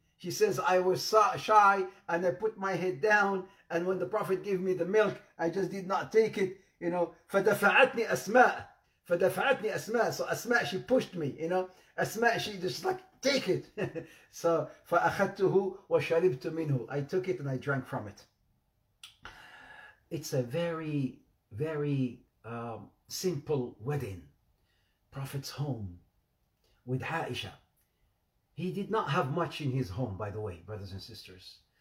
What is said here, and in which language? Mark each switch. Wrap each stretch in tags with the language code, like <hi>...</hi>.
<en>She says, I was shy and I put my head down, and when the Prophet gave me the milk, I just did not take it, you know.</en> <ar>فَدَفَعَتْنِي أَسْمَاء. فدفعتني أسماء.</ar> <en>So أسماء, she pushed me, you know. أسماء, she just like, take it. So</en> <ar>فأخذته وشربت منه.</ar> <en>I took it and I drank from it. It's a very, very simple wedding. Prophet's home with Aisha. He did not have much in his home, by the way, brothers and sisters.</en>